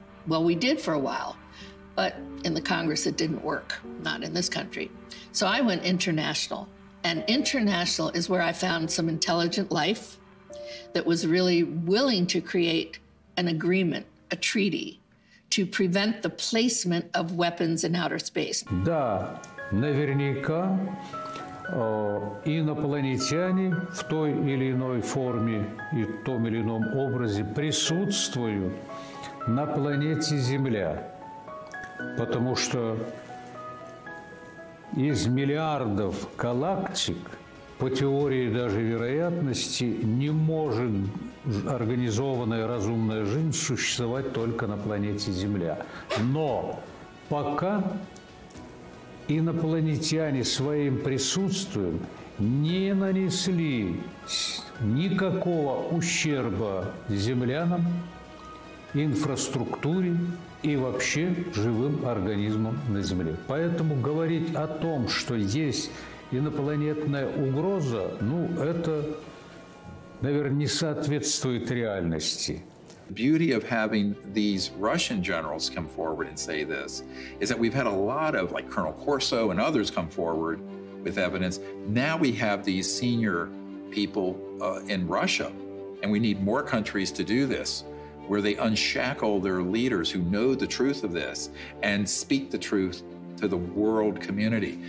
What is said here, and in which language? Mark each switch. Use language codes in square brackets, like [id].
[en] Well, we did for a while, but in the Congress it didn't work, not in this country. So I went international. And international is where I found some intelligent life that was really willing to create an agreement, a treaty, to prevent the placement of weapons in outer space. [ru] Да, наверняка инопланетяне в той или иной форме и в том или ином образе присутствуют на планете Земля, потому что из миллиардов галактик, по теории даже вероятности, не может организованная разумная жизнь существовать только на планете Земля. Но пока инопланетяне своим присутствием не нанесли никакого ущерба землянам, инфраструктуре, и вообще живым организмом на Земле. Поэтому говорить о том, что есть инопланетная угроза, ну, это, наверное, не соответствует реальности. [en] The beauty of having these Russian generals come forward and say this is that we've had a lot of, like Colonel Corso and others come forward with evidence. Now we have these senior people in Russia, and we need more countries to do this, where they unshackle their leaders who know the truth of this and speak the truth to the world community.